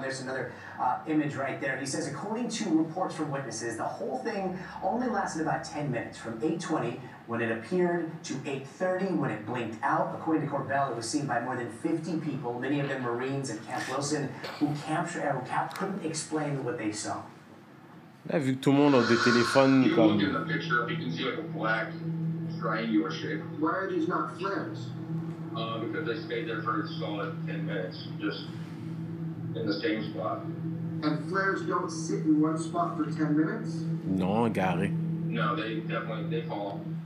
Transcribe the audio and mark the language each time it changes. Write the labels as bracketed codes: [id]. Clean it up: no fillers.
[en] There's another image right there. He says, according to reports from witnesses, the whole thing only lasted about 10 minutes, from 8:20 when it appeared to 8:30 when it blinked out. According to Corbell, it was seen by more than 50 people, many of them Marines at Camp Wilson, who couldn't explain what they saw. [fr] Là, vu que tout le monde a des téléphones comme... [en] You can see like a black triangular shape. Why are these not flares? Because they stayed there for a solid 10 minutes, just in the same spot. And flares don't sit in one spot for 10 minutes? [fr] Non, Gary. [en] No, they definitely, they fall.